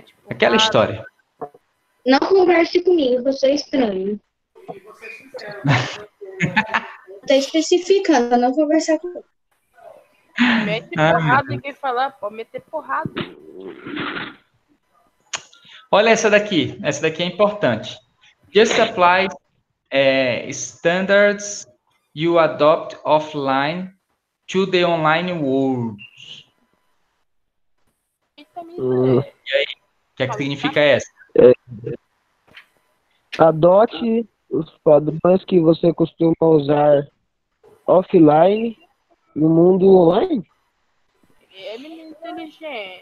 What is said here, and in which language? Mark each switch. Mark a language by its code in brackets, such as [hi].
[pt] aquela história. Não converse comigo, você é estranho. Estou especificando, não conversar com você. Mete porrada em quem falar, pode meter porrada. Olha essa daqui é importante. [en] Just apply standards you adopt offline to the online world. [pt] E aí, o que é que significa essa? Adote os padrões que você costuma usar offline no mundo online? Gente.